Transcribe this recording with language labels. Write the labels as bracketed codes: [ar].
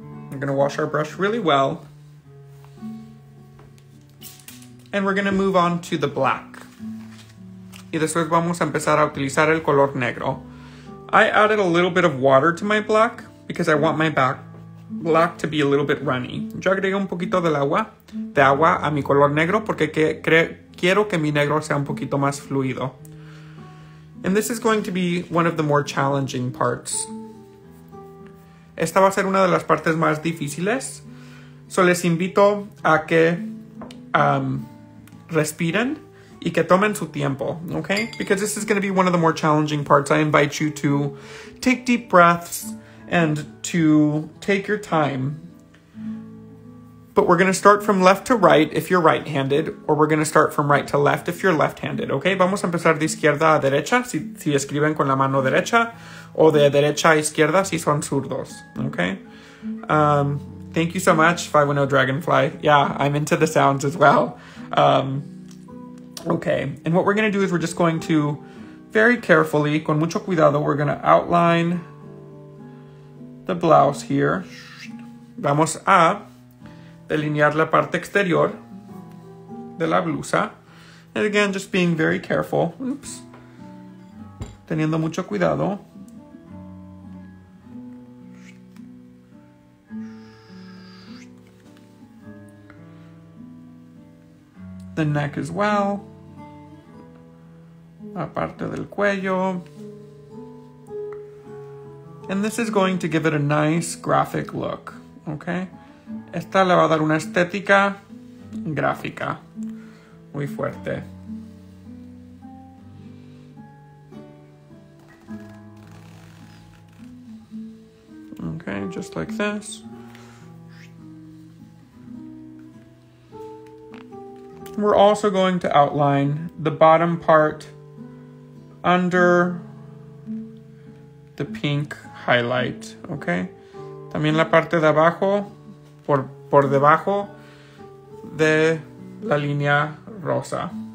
[en] We're going to wash our brush really well. And we're going to move on to the black. [es] Y después vamos a empezar a utilizar el color negro. [en] I added a little bit of water to my black because I want my black to be a little bit runny. [es] Yo agregué un poquito de agua a mi color negro porque quiero que mi negro sea un poquito más fluido. [en] And this is going to be one of the more challenging parts. [es] Esta va a ser una de las partes más difíciles. So les invito a que respiren y que tomen su tiempo, okay? [en] Because this is going to be one of the more challenging parts. I invite you to take deep breaths and to take your time. But we're going to start from left to right if you're right-handed, or we're going to start from right to left if you're left-handed, okay? [es] Vamos a empezar de izquierda a derecha si escriben con la mano derecha, o de derecha a izquierda si son zurdos, okay? [en] Thank you so much, 510 Dragonfly. Yeah, I'm into the sounds as well. Okay, and what we're going to do is we're just going to, very carefully, [es] con mucho cuidado, [en] we're going to outline the blouse here. [es] Vamos a delinear la parte exterior de la blusa. [en] And again, just being very careful. Oops. [es] Teniendo mucho cuidado. [en] The neck as well. [es] La parte del cuello. [en] And this is going to give it a nice graphic look, okay? [es] Esta le va a dar una estética gráfica muy fuerte. [en] Okay, just like this. We're also going to outline the bottom part under the pink highlight, okay? [es] También la parte de abajo, por debajo de la línea rosa.